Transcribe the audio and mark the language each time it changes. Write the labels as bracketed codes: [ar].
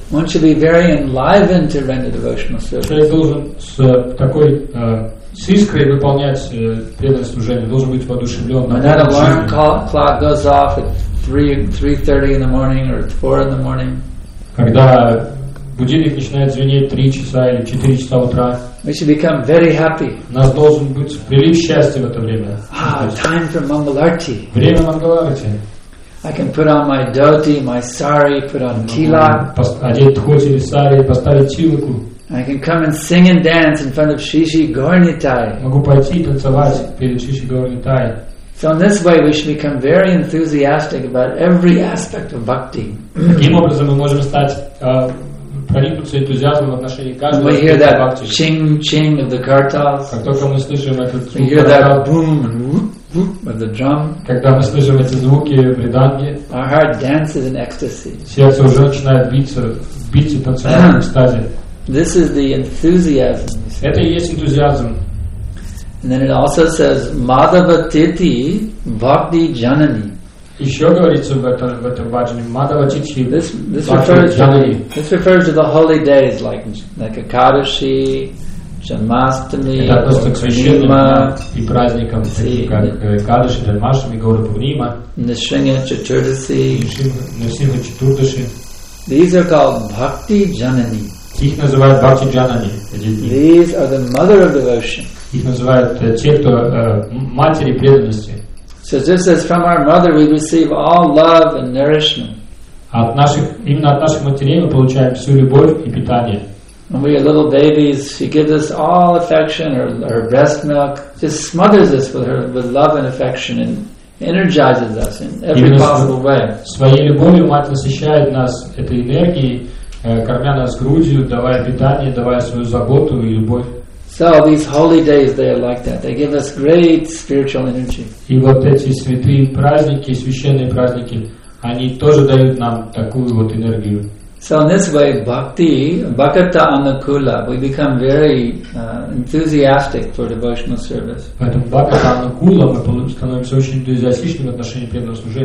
[en] One should be very enlivened to render devotional service. [ru] Человек должен с такой с искрой выполнять преданное служение, должен быть воодушевлен. [en] When that alarm clock goes off at 3:30 in the morning or 4 in the morning. [ru] Когда будильник начинает звенеть 3 часа или 4 часа утра, [en] we should become very happy. [ru] У нас должен быть прилив счастья в это время. [en] Time for Mangalarti. [ru] Время Мангаларти. [en] I can put on my dhoti, my sari, put on tilak. [ru] Одеть дхоти или сари, поставить тилаку. [en] I can come and sing and dance in front of Shishi Gornitai. [ru] Могу пойти танцевать перед Шиши Горнитай. [en] So in this way, we should become very enthusiastic about every aspect of bhakti. [ru] Таким образом, мы можем стать проникнуться энтузиазмом в отношении каждого аспекта бхакти. [en] We hear that ching ching of the kartals. [ru] Как только мы слышим этот звук, [en] we hear that boom and whoop of the drum. [ru] Когда мы слышим эти звуки вриданги, [en] our heart dances in ecstasy. [ru] Сердце уже начинает биться в танцевальном экстазе. [en] This is the enthusiasm. [ru] Это и есть энтузиазм. [en] And then it also says Madhava Titi Bhakti Janani. [ru] Еще говорится в этом баджане Мадхава Титхи. [en] This refers to the holy days like Акадаши, Джанмаштами, Пурнима [ru] и праздникам, таким как Акадаши, Джанмаштами, Гаура Пурнима, Нисхинга Чатурдаси. Нисхинга Чатурдаши. [en] These are called Bhakti Janani. [ru] Их называют Бхакти Джанани. [en] These are the mother of devotion. [ru] Их называют те, кто матери преданности. [en] So just as from our mother we receive all love and nourishment. [ru] От наших матерей мы получаем всю любовь и питание. [en] When we are little babies, she gives us all affection, her breast milk, just smothers us with love and affection and energizes us in every possible way. [ru] Своей любовью мать насыщает нас этой энергией, кормя нас грудью, давая питание, давая свою заботу и любовь. [en] So these holy days, they are like that. They give us great spiritual energy. [ru] И вот эти святые праздники, священные праздники, они тоже дают нам такую вот энергию. [en] So in this way, bhakti, bhakata anukula, we become very enthusiastic for devotional service. [ru] Поэтому bhakata anukula мы становимся очень энтузиастичными в отношении преданного служения.